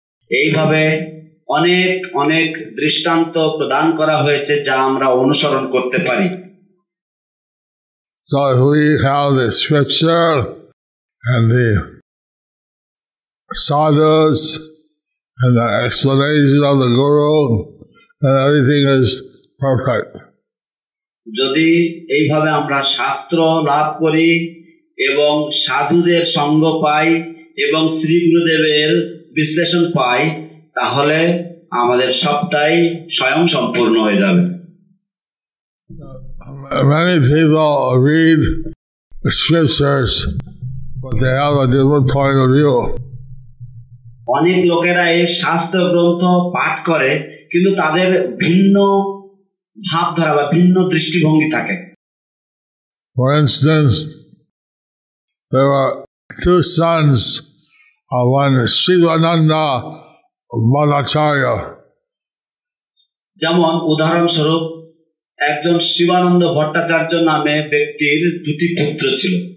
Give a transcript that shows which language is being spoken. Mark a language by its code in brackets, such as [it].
[bn] এইভাবে অনেক অনেক দৃষ্টান্ত প্রদান করা হয়েছে যা আমরা অনুসরণ করতে পারি. [en] So we have the scripture and the sadhus and the explanation of the guru and everything is perfect. [bn] যদি এইভাবে আমরা শাস্ত্র লাভ করি এবং সাধুদের সঙ্গ পাই এবং শ্রী গুরুদেবের বিশ্লেষণ পাই তাহলে আমাদের সবটাই স্বয়ং সম্পূর্ণ হয়ে যাবে. [en] Many people read the scriptures, but they have a different point of view. [bn] অনেক লোকেরা এই শাস্ত্র গ্রন্থ পাঠ করে কিন্তু তাদের ভিন্ন ভাবধারা বা ভিন্ন দৃষ্টিভঙ্গি থাকে. [en] For instance, there were two sons of one Sivananda Bhattacharya. [bn] যেমন উদাহরণস্বরূপ একজন শিবানন্দ ভট্টাচার্য নামে ব্যক্তির দুটি পুত্র ছিল.